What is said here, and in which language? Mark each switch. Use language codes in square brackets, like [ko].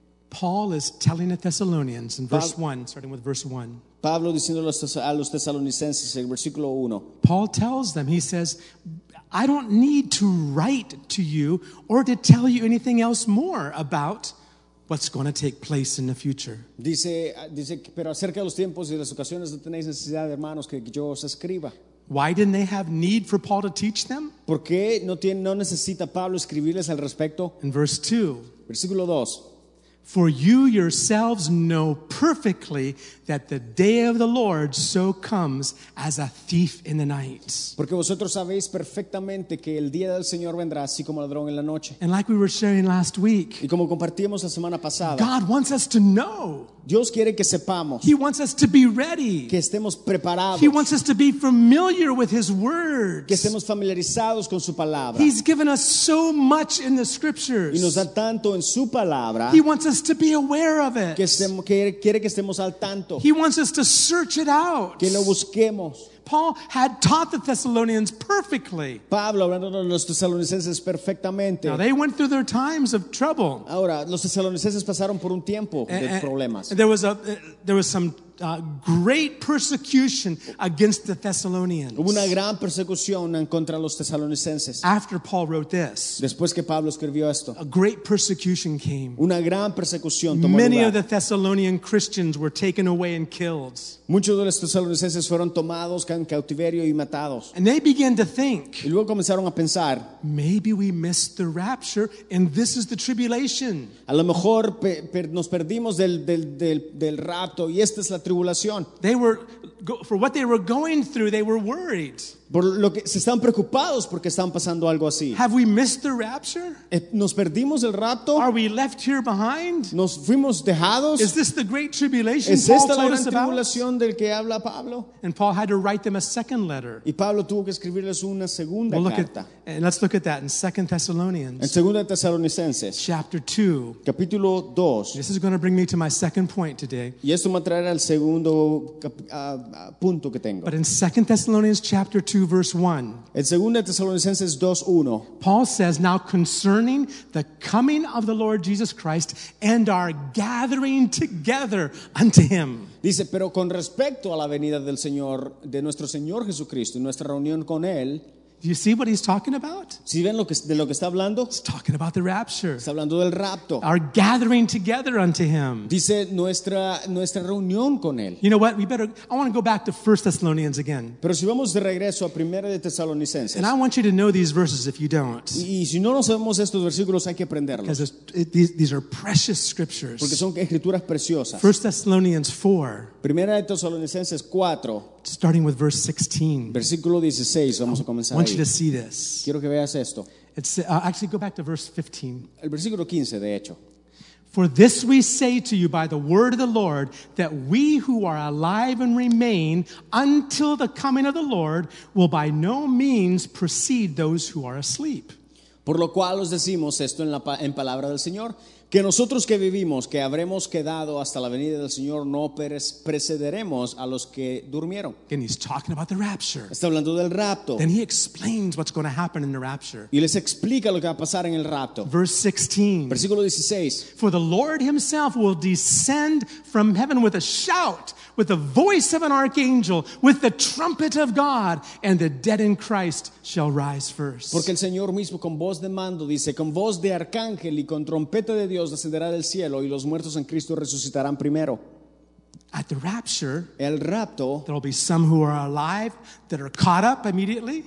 [en] Paul is telling the Thessalonians in verse 1, starting with verse 1. [es] Pablo diciendo a los Tesalonicenses en versículo 1. [en] Paul tells them, he says, I don't need to write to you or to tell you anything else more about what's going to take place in the future. [es] Dice, pero acerca de los tiempos y las ocasiones no tenéis necesidad, hermanos, que yo os escriba. [en] Why didn't they have need for Paul to teach them? [es] ¿Por qué no necesita Pablo escribirles al respecto? [en] In verse 2. [es] Versículo 2. [en] For you yourselves know perfectly that the day of the Lord so comes as a thief in the night. [es] Porque vosotros sabéis perfectamente que el día del Señor vendrá así como ladrón en la noche. [en] And like we were sharing last week, [es] y como compartimos la semana pasada, [en] God wants us to know. [es] Dios quiere que sepamos. [en] He wants us to be ready. [es] Que estemos preparados. [en] He wants us to be familiar with his words. [es] Que estemos familiarizados con su palabra. [en] He's given us so much in the scriptures. [es] Y nos da tanto en su palabra. [en] He wants us to be aware of it. [es] Quiere que estemos al tanto. [en] He wants us to search it out. [es] Que lo busquemos. [en] Paul had taught the Thessalonians perfectly. [es] Pablo hablando a los tesalonicenses perfectamente. [en] Now they went through their times of trouble. [es] Ahora los tesalonicenses pasaron por un tiempo de problemas. [en] There was some great persecution against the Thessalonians. [es] Hubo una gran persecución contra los tesalonicenses. [en] After Paul wrote this. [es] Después que Pablo escribió esto. [en] A great persecution came. [es] Una gran persecución tomó lugar. [en] Many of the Thessalonian Christians were taken away and killed. [es] Muchos de los tesalonicenses fueron tomados en cautiverio y matados. [en] And they began to think. [es] Y luego comenzaron a pensar. [en] Maybe we missed the rapture and this is the tribulation. [es] A lo mejor nos perdimos del rapto y esta es la tribulación. [en] They were, for what they were going through, they were worried. [es] Por lo que se están preocupados porque están pasando algo así. [en] Have we missed the rapture? [es] ¿Nos perdimos el rapto? [en] Are we left here behind? [es] ¿Nos fuimos dejados? [en] Is this the great tribulation [es] ¿Es esta la gran tribulación del que habla Pablo? [en] And Paul had to write them a second letter. [es] Y Pablo tuvo que escribirles una segunda carta. [en] And let's look at that in 2 Thessalonians. [es] En Segunda de Tesalonicenses. [en] Chapter 2. [es] Capítulo 2. [en] This is going to bring me to my second point today. [es] Y esto me traerá al segundo punto que tengo. [en] But in 2 Thessalonians chapter 2. 2 verse 1. [es] En Segunda Tesalonicenses 2:1. [en] Paul says, now concerning the coming of the Lord Jesus Christ and our gathering together unto him. [es] Dice, pero con respecto a la venida del Señor, de nuestro Señor Jesucristo, nuestra reunión con él. [en] Do you see what he's talking about? [es] ¿Sí ven lo que está hablando? [en] He's talking about the rapture. [es] Está hablando del rapto. [en] Our gathering together unto him. [es] Dice nuestra reunión con él. [en] You know what? I want to go back to 1 Thessalonians again. [es] Pero si vamos de regreso a Primera de Tesalonicenses. [en] And I want you to know these verses if you don't. [es] Y si no nos sabemos estos versículos hay que aprenderlos. [en] Because these are precious scriptures. [es] Porque son escrituras preciosas. [en] 1 Thessalonians 4. [es] Primera de Tesalonicenses 4. [en] Starting with verse 16. [es] Versículo 16, vamos a comenzar. [en] I want [es] ahí. [en] You to see this. [es] Quiero que veas esto. [en] It's, actually, go back to verse 15. [es] El versículo 15, de hecho. [en] For this we say to you by the word of the Lord, that we who are alive and remain until the coming of the Lord will by no means precede those who are asleep. [es] Por lo cual os decimos esto en palabra del Señor. Que nosotros que vivimos, que habremos quedado hasta la venida del Señor, no precederemos a los que durmieron. [en] And he's talking about the rapture. [es] Está hablando del rapto. [en] Then he explains what's going to happen in the rapture. [es] Y les explica lo que va a pasar en el rapto. [en] Verse 16. [es] Versículo 16. [en] For the Lord himself will descend from heaven with a shout, with the voice of an archangel, with the trumpet of God, and the dead in Christ shall rise first. [es] Porque el Señor mismo con voz de mando dice, con voz de arcángel y con trompeta de Dios descenderá del cielo y los muertos en Cristo resucitarán primero. [en] At the rapture, [es] el rapto, [en] there will be some who are alive that are caught up immediately.